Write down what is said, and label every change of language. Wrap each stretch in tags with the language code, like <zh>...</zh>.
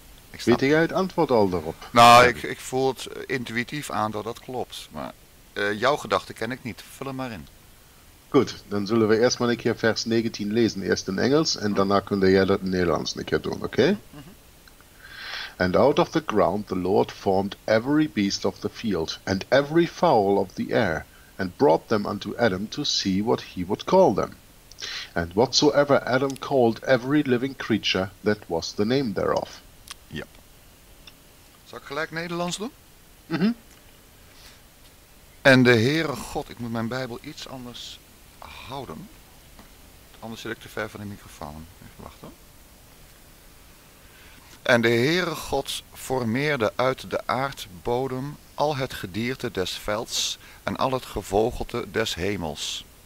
<nl>Ik snap. Weet jij het antwoord al daarop? Nou, ik voel het intuïtief aan dat dat klopt. Maar jouw gedachten ken ik niet. Vul hem maar in. Goed, dan zullen we eerst maar een keer vers 19 lezen. Eerst in Engels en daarna kun jij dat in Nederlands een keer doen, oké?</nl> <en>And out of the ground the Lord formed every beast of the field and every fowl of the air and brought them unto Adam to see what he would call them. And whatsoever Adam called every living creature, that was the name thereof.</en> <nl>Ja. Zal ik gelijk Nederlands doen? Mm-hmm. En de Heere God, ik moet mijn Bijbel iets anders houden. Anders zit ik te ver van de microfoon. Even wachten. En de Heere God formeerde uit de aardbodem al het gedierte des velds en al het gevogelte des hemels.</nl>